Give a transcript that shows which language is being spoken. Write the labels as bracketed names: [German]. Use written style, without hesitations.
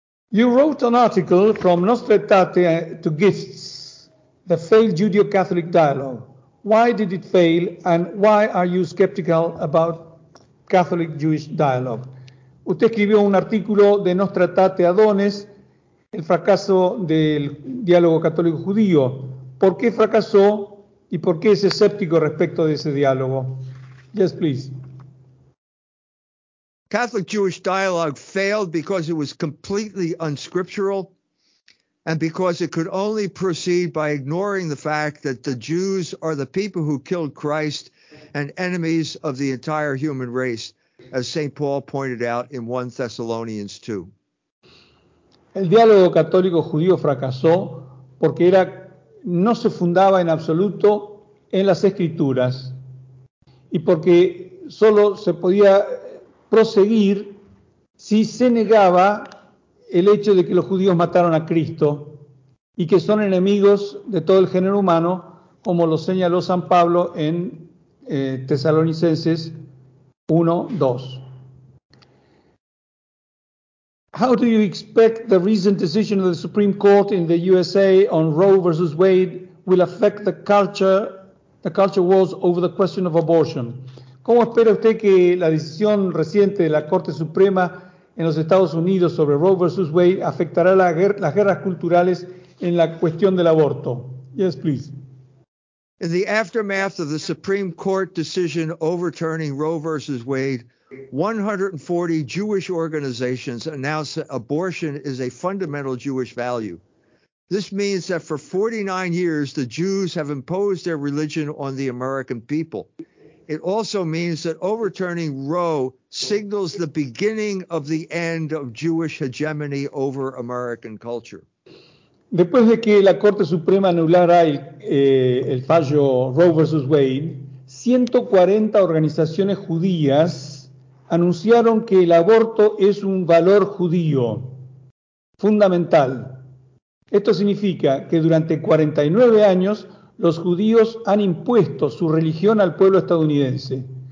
[English] You wrote an article from Nostra Aetate to Gifts, the failed Judeo-Catholic dialogue. Why did it fail and why are you skeptical about Catholic-Jewish dialogue? [Spanish] Usted escribió un artículo de Nostra Aetate a Dones, el fracaso del diálogo católico-judío. ¿Por qué fracasó y por qué es escéptico respecto de ese diálogo? [English] Yes, please. Catholic-Jewish dialogue failed because it was completely unscriptural and because it could only proceed by ignoring the fact that the Jews are the people who killed Christ and enemies of the entire human race, as St. Paul pointed out in 1 Thessalonians 2. [Spanish] El diálogo católico-judío fracasó porque era no se fundaba en absoluto en las Escrituras y porque solo se podía proseguir si se negaba el hecho de que los judíos mataron a Cristo y que son enemigos de todo el género humano, como lo señaló San Pablo en Tesalonicenses 1:2. [English] How do you expect the recent decision of the Supreme Court in the USA on Roe versus Wade will affect the culture wars over the question of abortion? [Spanish] ¿Cómo espera usted que la decisión reciente de la Corte Suprema en los Estados Unidos sobre Roe versus Wade afectará las guerras culturales en la cuestión del aborto? [English] Yes, please. In the aftermath of the Supreme Court decision overturning Roe versus Wade, 140 Jewish organizations announced that abortion is a fundamental Jewish value. This means that for 49 years, the Jews have imposed their religion on the American people. It also means that overturning Roe signals the beginning of the end of Jewish hegemony over American culture. [Spanish] Después de que la Corte Suprema anulara el fallo Roe versus Wade, 140 organizaciones judías anunciaron que el aborto es un valor judío fundamental. Esto significa que durante 49 años los judíos han impuesto su religión al pueblo estadounidense.